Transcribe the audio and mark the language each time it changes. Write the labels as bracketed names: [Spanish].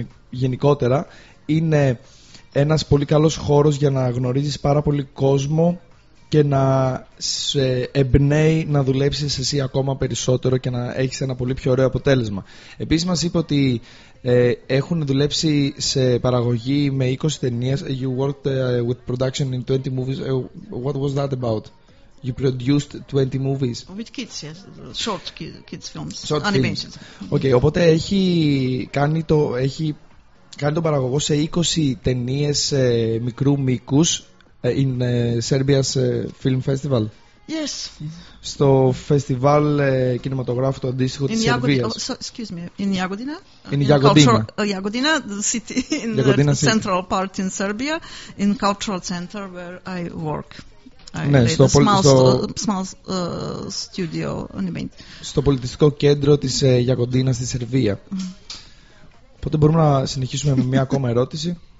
[Greek] γενικότερα είναι ένας πολύ καλός χώρος για να γνωρίζεις πάρα πολύ κόσμο και να σε εμπνέει να δουλέψεις εσύ ακόμα περισσότερο και να έχεις ένα πολύ πιο ωραίο αποτέλεσμα. Επίσης μας είπε ότι έχουν δουλέψει σε παραγωγή με 20 ταινίες. [English] You worked with production in 20 movies. What was that about? You produced 20 movies. With kids, yes. Short kids films. Short animations. [Greek] Okay, οπότε έχει κάνει τον παραγωγό σε 20 ταινίες μικρού μήκους. [English] In Serbia's film festival. Yes. [Greek] Στο φεστιβάλ κινηματογράφου το αντίστοιχο της Σερβίας. [English] Excuse me, in Jagodina. In Jagodina. Jagodina, the city in Jagodina the central city. Part in Serbia, in cultural center where I work. Studio. [Greek] Στο πολιτιστικό κέντρο της Jagodina στη Σερβία. Οπότε μπορούμε να συνεχίσουμε με μια ακόμα ερώτηση.